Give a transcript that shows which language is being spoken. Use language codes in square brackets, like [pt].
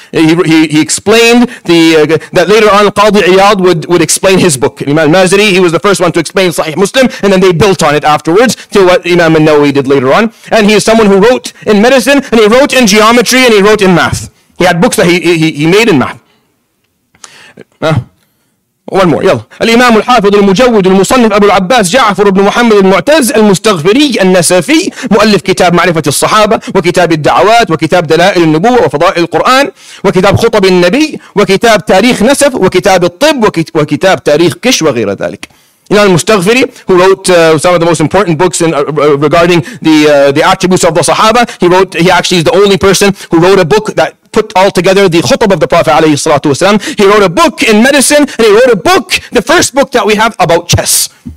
[en] He explained that later on Qadi Iyad would explain his book. Imam al-Mazari, he was the first one to explain sahih Muslim, and then they built on it afterwards to what Imam al-Nawawi did later on. And he is someone who wrote in medicine, and he wrote in geometry, and he wrote in math. He had books that he made in math. One more. [ar] يلا. الإمام الحافظ المجود المصنف أبو العباس جعفر بن محمد المعتز المستغفري النسفي مؤلف كتاب معرفة الصحابة وكتاب الدعوات وكتاب دلائل النبوة وفضائل القرآن وكتاب خطب النبي وكتاب تاريخ نسف وكتاب الطب وكتاب تاريخ كش وغير ذلك. [en] الإمام المستغفري, who wrote some of the most important books regarding the attributes of the Sahaba, he actually is the only person who wrote a book that put all together the khutbah of the Prophet [ar] عليه الصلاة والسلام. [en] He wrote a book in medicine, and he wrote a book, the first book that we have, about chess.